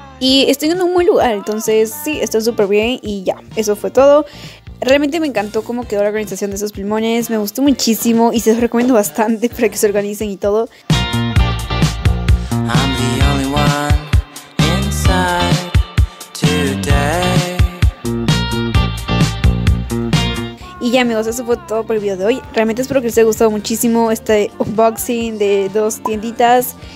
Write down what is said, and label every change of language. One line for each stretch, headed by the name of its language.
Spanish: Y estoy en un buen lugar, entonces sí, está súper bien y ya, eso fue todo. Realmente me encantó cómo quedó la organización de esos plumones, me gustó muchísimo y se los recomiendo bastante para que se organicen y todo.
English: I'm the only one inside today.
Spanish: Y ya amigos, eso fue todo por el video de hoy. Realmente espero que les haya gustado muchísimo este unboxing de dos tienditas.